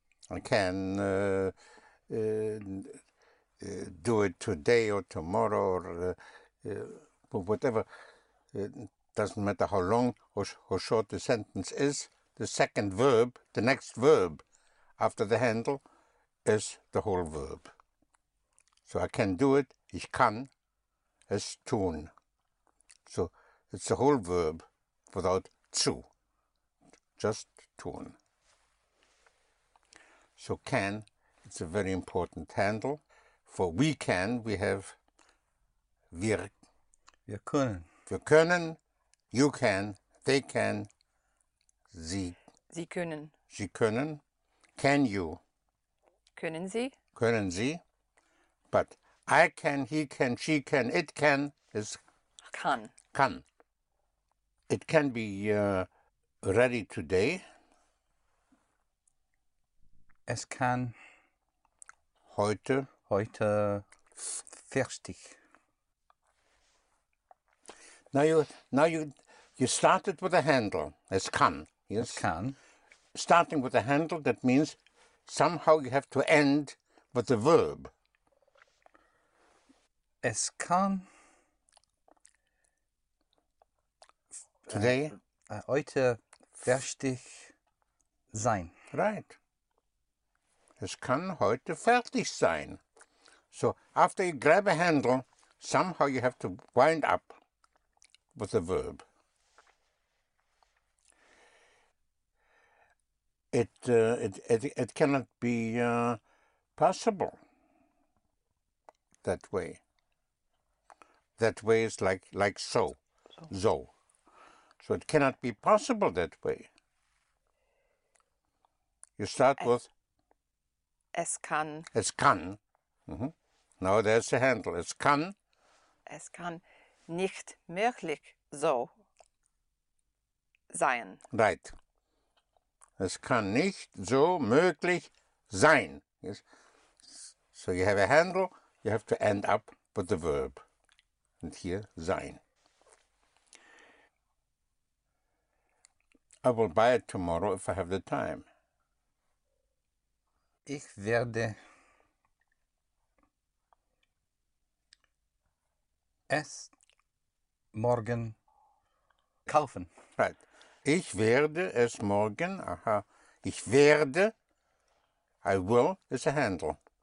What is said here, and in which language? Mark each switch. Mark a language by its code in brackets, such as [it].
[en] I can do it today or tomorrow or whatever. It doesn't matter how long or short the sentence is. The second verb, the next verb after the handle, is the whole verb. So I can do it, [de] ich kann, es tun. [en] So it's the whole verb without zu, just tun. So can, it's a very important handle. For we can, we have [de] wir können. Wir können, [en] you can, they can, [de] sie können. Sie können, [en] can you. [de] Können sie. Können sie. [en] But I can, he can, she can, it can is [de] kann. Kann. [en] It can be ready today. [de] Es kann heute fertig. [en] Now you started with a handle. [de] Es kann. [en] Yes. [de] Es kann. [en] Starting with a handle, that means somehow you have to end with the verb. [de] Es kann [en] today [de] heute fertig sein. [en] Right. [de] Es kann heute fertig sein. [en] So after you grab a handle, somehow you have to wind up with the verb. It cannot be possible that way. That way is like so. So it cannot be possible that way. You start with [de] es kann. Es kann. [en] Mm-hmm. Now there's the handle. Es kann. [de] Es kann nicht möglich so sein. [en] Right. [de] Es kann nicht so möglich sein. [en] Yes. So you have a handle. You have to end up with the verb. And here, sein. I will buy it tomorrow if I have the time. [de] Ich werde es morgen kaufen. [en] Right. [de] Ich werde es morgen, aha. Ich werde, [en] I will, is a handle.